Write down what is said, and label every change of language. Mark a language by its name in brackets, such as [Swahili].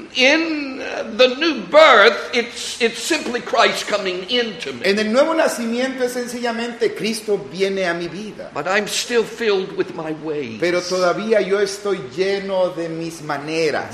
[English] In the new birth, it's simply Christ coming into me. [Spanish] En el nuevo nacimiento es sencillamente Cristo viene a mi vida. [English] But I'm still filled with my ways. [Spanish] Pero todavía yo estoy lleno de mis maneras.